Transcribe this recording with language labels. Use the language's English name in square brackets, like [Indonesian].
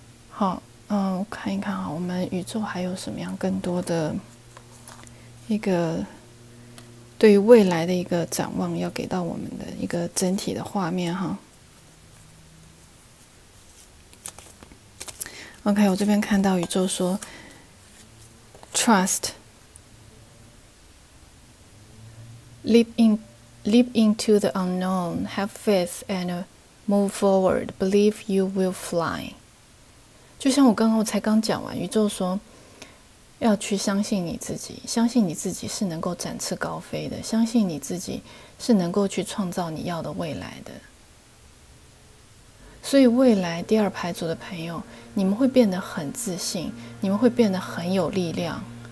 [Chinese] 好，我看一看啊，我们宇宙还有什么样更多的一个对于未来的一个展望，要给到我们的一个整体的画面哈。 [English] OK， [Chinese] 我这边看到宇宙说 [English] ，trust， leap into the unknown， have faith and move forward， believe you will fly。 [Chinese] 就像我才刚讲完，宇宙说要去相信你自己，相信你自己是能够展翅高飞的，相信你自己是能够去创造你要的未来的。所以未来第二排组的朋友，你们会变得很自信，你们会变得很有力量。